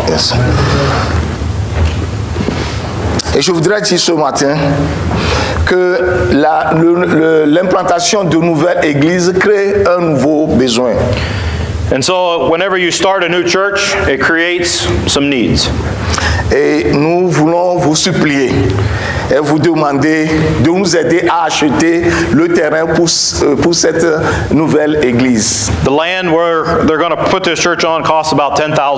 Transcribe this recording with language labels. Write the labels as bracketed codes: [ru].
[en] Yes. [fr] Et je voudrais dire ce matin que l'implantation de nouvelles églises crée un nouveau besoin. [en] And so whenever you start a new church, it creates some needs. [fr] Et nous voulons vous supplier et vous demander de nous aider à acheter le terrain pour cette nouvelle église. [en] The land where they're going to put this church on costs about $10,000.